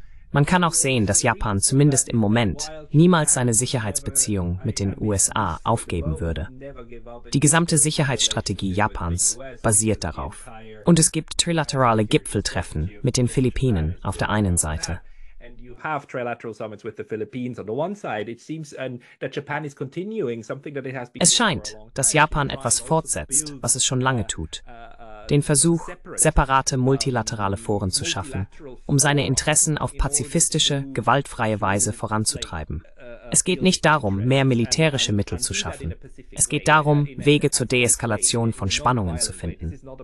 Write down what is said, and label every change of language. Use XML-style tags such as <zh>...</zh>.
<de>Man kann auch sehen, dass Japan zumindest im Moment niemals seine Sicherheitsbeziehung mit den USA aufgeben würde. Die gesamte Sicherheitsstrategie Japans basiert darauf. Und es gibt trilaterale Gipfeltreffen mit den Philippinen auf der einen Seite.</de> <en>Have trilateral summits with the Philippines on the one side. It seems that Japan is continuing something that it has been.</en> <de>Es scheint, dass Japan etwas fortsetzt, was es schon lange tut. Den Versuch, separate multilaterale Foren zu schaffen, um seine Interessen auf pazifistische, gewaltfreie Weise voranzutreiben. Es geht nicht darum, mehr militärische Mittel zu schaffen. Es geht darum, Wege zur Deeskalation von Spannungen zu finden.</de>